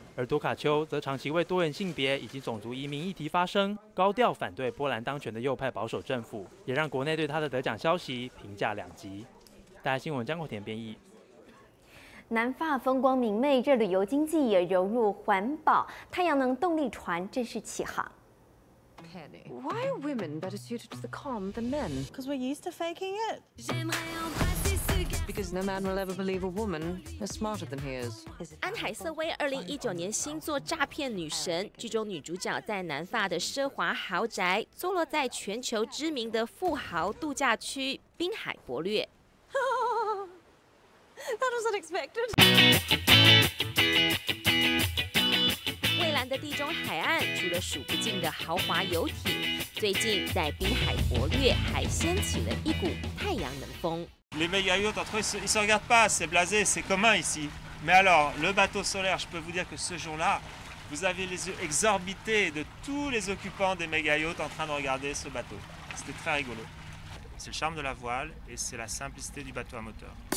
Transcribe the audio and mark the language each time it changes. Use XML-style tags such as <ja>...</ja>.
<zh>而朵卡丘则长期为多元性别以及种族移民议题发声，高调反对波兰当权的右派保守政府，也让国内对他的得奖消息评价两极。大新闻江口田编译。南法风光明媚，这旅游经济也融入环保，太阳能动力船正式起航。</zh> <en>Why are women better suited to the calm than men? Because we're used to faking it. Because no man will ever believe a woman is smarter than he is.</en> <zh>安海瑟薇2019年新作《诈骗女神》，剧中女主角在南法的奢华豪宅，坐落在全球知名的富豪度假区滨海伯略。</zh> <en>That was unexpected.</en> <zh>蔚蓝的地中海岸，除了数不尽的豪华游艇，最近在滨海伯略还掀起了一股太阳能风。</zh> <fr>Les méga yachts entre eux, ils se regardent pas, c'est blasé, c'est commun ici. Mais alors, le bateau solaire, je peux vous dire que ce jour-là, vous avez les yeux exorbités de tous les occupants des méga yachts en train de regarder ce bateau. C'était très rigolo. C'est le charme de la voile et c'est la simplicité du bateau à moteur.</fr>